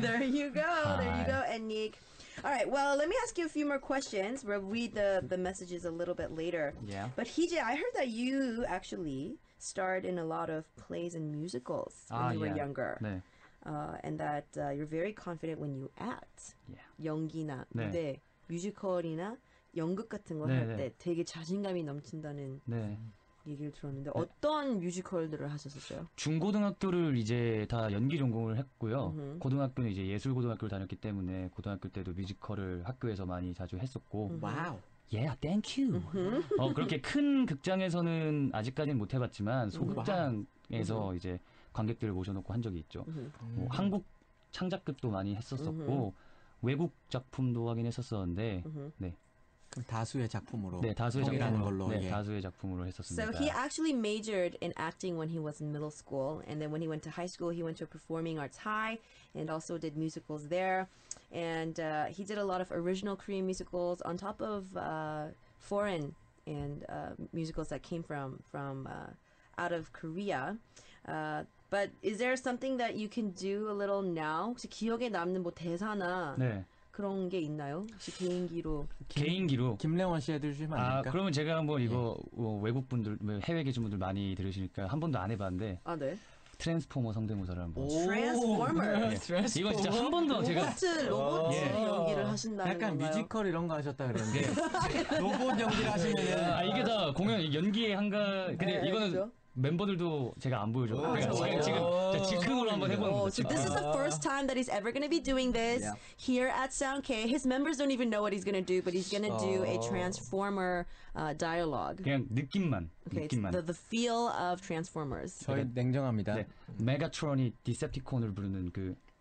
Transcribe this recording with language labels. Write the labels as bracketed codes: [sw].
[en] There you go. Hi. There you go, and Nick. All right, well, let me ask you a few more questions. We'll read the messages a little bit later. Yeah. But Hijae, I heard that you actually starred in a lot of plays and musicals when you were younger. [ko] 네. [en] And that you're very confident when you act. Yeah. [ko] 연기나 무대, 네. 뮤지컬이나 연극 같은 걸 할 때 되게 자신감이 넘친다는 네. 얘기를 들었는데 네. 어떤 뮤지컬들을 하셨었어요? 중고등학교를 이제 다 연기 전공을 했고요. 음흠. 고등학교는 이제 예술고등학교를 다녔기 때문에 고등학교 때도 뮤지컬을 학교에서 많이 자주 했었고 와우! [en] Yeah, thank you! [ko] 그렇게 큰 극장에서는 아직까지는 못 해봤지만 소극장에서 와우. 이제 관객들을 모셔놓고 한 적이 있죠. 뭐 한국 창작극도 많이 했었었고 음흠. 외국 작품도 하긴 했었었는데 음흠. 네. 다수의 작품으로 네, 다수의 작품으로 걸로, 네, 예. 다수의 작품으로 했었습니다. [en] So he actually majored in acting when he was in middle school and then when he went to high school he went to a performing arts high and also did musicals there and he did a lot of original Korean musicals on top of foreign and musicals that came from out of Korea. But is there something that you can do a little now? [ko] 혹시 기억에 남는 뭐 대사나 네. 그런 게 있나요? 혹시 개인기로? 개인기로? 김래원 씨 해드리시면 안 될까? 그러면 제가 한번 이거 예. 뭐 외국분들, 해외 계신 분들 많이 들으시니까 한 번도 안 해봤는데 아 네? 트랜스포머 성대모사를 한번 트랜스포머? 네. 트랜스포머? 이거 진짜 한 번도 로봇, 제가 로봇 예. 연기를 하신다는 건가요? 약간 뮤지컬 이런 거 하셨다 그러는데 로봇 연기를 하시면 아 이게 다 공연 연기의 한가... 근데 네, 이거는 그렇죠? 멤버들도 제가 안 보여줘요. 지금 즉흥으로 한번 해보는 거죠. [en] This is the first time that he's ever going to be doing this yeah. here at Sound K. His members don't even know what he's going to do, but he's going to do a Transformer dialogue. [ko] 그냥 느낌만. [en] Okay, [ko] 느낌만. [en] The feel of Transformers. [ko] 저희 냉정합니다. 네, Megatron이 Decepticon을 부르는 그.